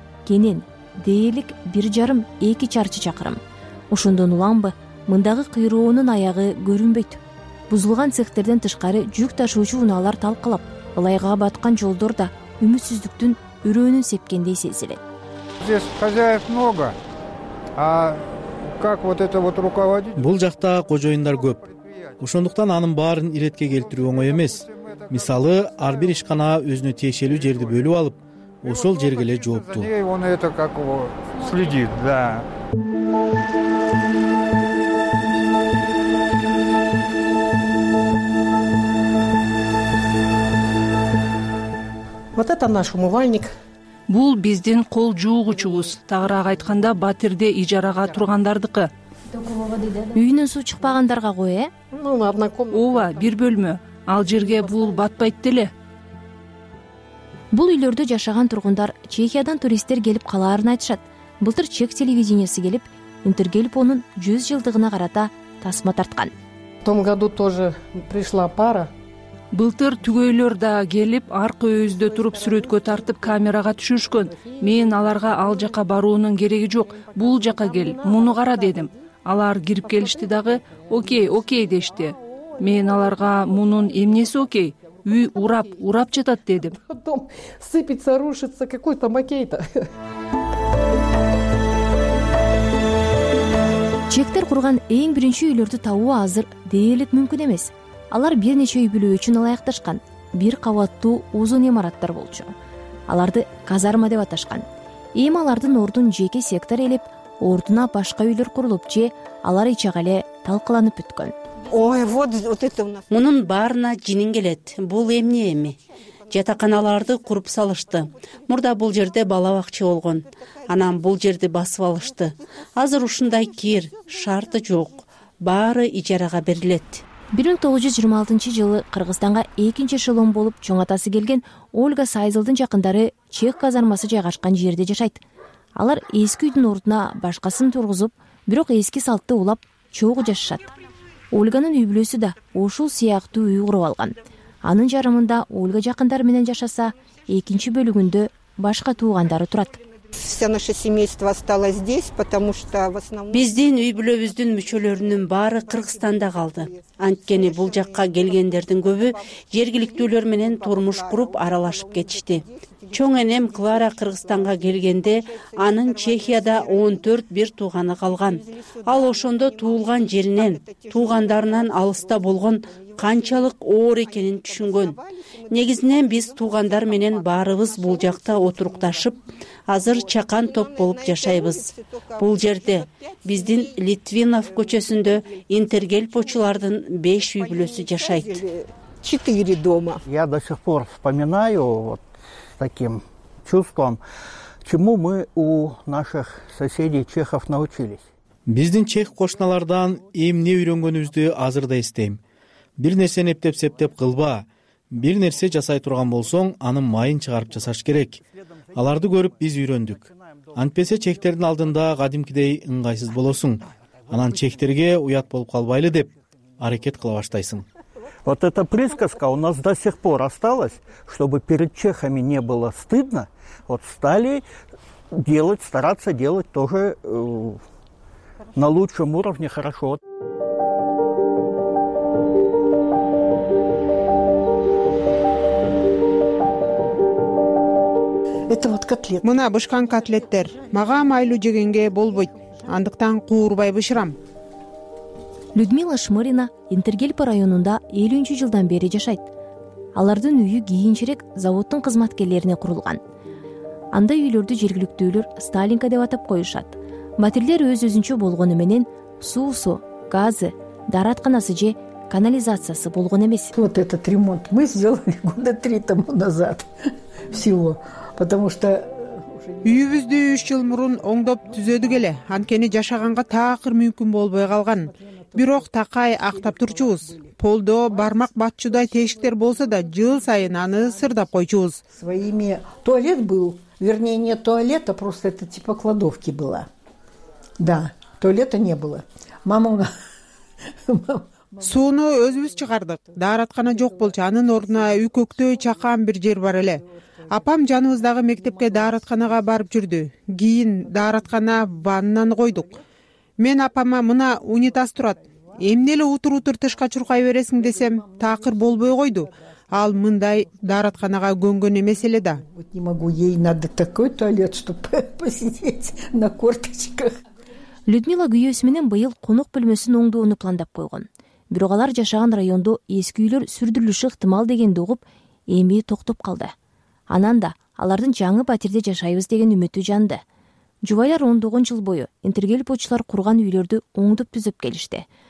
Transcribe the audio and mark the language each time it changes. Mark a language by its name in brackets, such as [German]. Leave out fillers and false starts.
[Kyrgyz] кенен, дээлик 1,5-2 чарчы чакырым. Ошондон уламбы мындагы кыйроонун аягы көрүнбөйт. Бузулган цехтерден тышкары жүк ташуучу унаалар талкалап, ылайга баткан жолдор да үмүтсүздүктүн үрөөнүн сепкендей сезилет. [Russian] Здесь хозяев много. А как вот это вот руководить? [Kyrgyz] Бул жакта кожоюндар көп. Ошондуктан анын баарын иретке келтирүү оңой эмес. Мисалы, ар бир ишкана өзүнө тиешелүү жерди бөлүп алып, ошол жерге эле жооптуу. [Russian] Он это как его следит, да. Вот это наш умывальник. [Kyrgyz] Бул биздин кол жуугучубуз. Тагыраак айтканда батирде ижарага тургандардыкы. Үйүнөн суу чыкпагандарга кой, э? [Russian] Ну, одна комната. [Kyrgyz] Ооба, бир бөлмө. Ал жерге бул батпайт деле. Бул үйлөрдө жашаган тургундар Чехиядан туристтер келип калаарын айтышат. Былтыр чек телевидениеси келип, Интергелпонун 100 жылдыгына карата тасма тарткан. [Russian] В том году тоже пришла пара. [Kyrgyz] Былтыр түгөйлөр да келип, аркы өйүздө туруп сүрөткө тартып камерага түшүшкөн. Мен аларга ал жака баруунун кереги жок. Бул жака кел, муну кара дедим. Алар кирип келишти дагы, окей, окей дешти. Мен аларга мунун эмнеси окей? Үй урап, урап жатат дедим. [Russian] Потом сыпется, рушится, какой там окей-то. [Kyrgyz] Чектер курган эң биринчи үйлөрдү табуу азыр дээлик мүмкүн эмес. Алар бир нече үй бүлө үчүн ылайыкташкан, бир кабаттуу узун имараттар болчу. Аларды казарма деп аташкан. Эми алардын ордун жеке сектор ээлеп, ордуна башка үйлөр курулуп же алар ичага эле талкаланып бүткөн. [Russian] Ой, вот это у нас. [Kyrgyz] Мунун баарына жинин келет. Бул эмне эми? Жатаканаларды куруп салышты. Мурда бул жерде бала бакча болгон. Анан бул жерди басып алышты. Азыр ушундай кир шарты жок. Баары ижарага берилет. 1926 жылы Кыргызстанга экинчи эшелон болуп чоң атасы келген Ольга Сайзылдын жакындары чек казармасы жайгашкан жерде жашайт. Алар эски үйдүн ордуна башкасын тургузуп, бирок эски салтты улап чогуу жашашат. Ольганын үй бүлөсү да ушул сыяктуу үй куруп алган. Анын жарымында Ольга жакындары менен жашаса, экинчи бөлүгүндө башка туугандары турат. [Russian] Вся наше семейство осталось здесь, потому что в основном [Kyrgyz] биздин үй бүлөбүздүн мүчөлөрүнүн баары Кыргызстанда калды. Анткени бул жакка келгендердин көбү жергиликтүүлөр менен турмуш куруп аралашып кетишти. Чоң энем Клара Кыргызстанга келгенде анын Чехияда 14 бир тууганы калган. Ал ошондо туулган жеринен, туугандарынан алыста болгон канчалык оор экенин түшүнгөн. Негизинен биз туугандар менен баарыбыз бул жакта отурукташып, азыр чакан топ болуп жашайбыз. Бул жерде биздин Литвинов көчөсүндө Интергелпочулардын 5 үй бүлөсү жашайт. [Russian] 4 дома. Я до сих пор вспоминаю вот таким чувством, чему мы у наших соседей чехов научились. [Kyrgyz] Биздин чех кошуналардан эмне үйрөнгөнүбүздү азыр да эстейм. Бир нерсени эптеп-септеп кылба. Бир нерсе жасай турган болсоң, анын майын чыгарып жасаш керек. Аларды көрүп биз үйрөндүк. Антпесе чектердин алдында кадимкидей ыңгайсыз болосуң. Анан чектерге уят болуп калбайлы деп аракет кыла баштайсың. [Russian] Вот эта присказка у нас до сих пор осталась, чтобы перед чехами не было стыдно, вот стали делать, стараться делать тоже на лучшем уровне хорошо. Это вот котлет. [Kyrgyz] Мына бышкан котлеттер. Мага майлуу жегенге болбойт. Андыктан куурбай бышырам. Людмила Шмырина Интергелп районунда 50-чү жылдан бери жашайт. Алардын үйү кийинчерээк заводдун кызматкерлерине курулган. Андай үйлөрдү жергиликтүүлөр Сталинка деп атап коюшат. Батирлер өз-өзүнчө болгону менен суусу, газы, даратканасы же канализациясы болгон эмес. [Russian] Вот этот ремонт мы сделали года 3 тому назад. Всего. Потому что [Kyrgyz] үйүбүздү 3 жыл мурун оңдоп түзөдүк эле. Анткени жашаганга такыр мүмкүн болбой калган. Бирок такай актап турчубуз. Полдо бармак батчудай тешиктер болсо да, жыл сайын аны сырдап койчубуз. [Russian] Своими туалет был, вернее не туалет, а просто это типа кладовки была. Да, туалета не было. Мама [Kyrgyz] Сууну өзүбүз чыгардык. Дааратканы жок болчу, анын ордуна үкөктөй чакан бир жер бар эле. Апам жаныбыздагы мектепке дааратканага барып жүрдү. Кийин дааратканы ваннаны койдук. Мен апама мына унитаз турат. Эмне эле утур-утур тышка чуркай бересиң десем, такыр болбой койду. Ал мындай дааратканага көнгөн эмес эле да. [Russian] Не могу, ей надо такой туалет, чтобы посидеть на корточках. [Kyrgyz] Людмила күйөөсү менен быйыл конок бөлмөсүн оңдоону пландап койгон. Бирок алар жашаган райондо эски үйлөр сүрдүрүлүшү ыктымал дегенди угуп, эми токтоп калды. Анан да алардын жаңы батирде жашайбыз деген үмүтү жанды. Жубайлар ондогон жыл бою интергелпочулар курган үйлөрдү оңдоп түзөп келишти.